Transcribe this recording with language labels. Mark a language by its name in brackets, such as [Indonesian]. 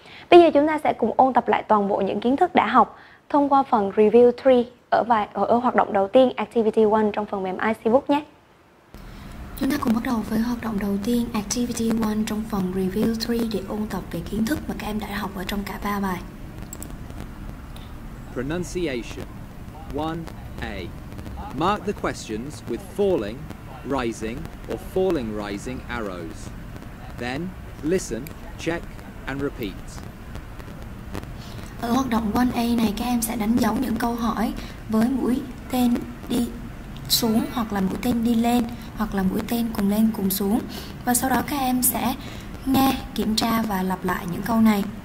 [Vietnamese] Bây giờ chúng ta sẽ cùng ôn tập lại toàn bộ những kiến thức đã học thông qua phần review 3 ở hoạt động đầu tiên, activity 1 trong phần mềm ICBook nhé. Chúng ta cùng bắt đầu với hoạt động đầu tiên, activity 1 trong phần review 3 để ôn tập về kiến thức mà các em đã học ở trong cả 3 bài. [English] Pronunciation 1A. Mark the questions with falling, rising, or falling rising arrows. Then listen, check, and repeat. [Vietnamese] Ở hoạt động 1A này các em sẽ đánh dấu những câu hỏi với mũi tên đi xuống hoặc là mũi tên đi lên hoặc là mũi tên cùng lên cùng xuống. Và sau đó các em sẽ nghe, kiểm tra và lặp lại những câu này.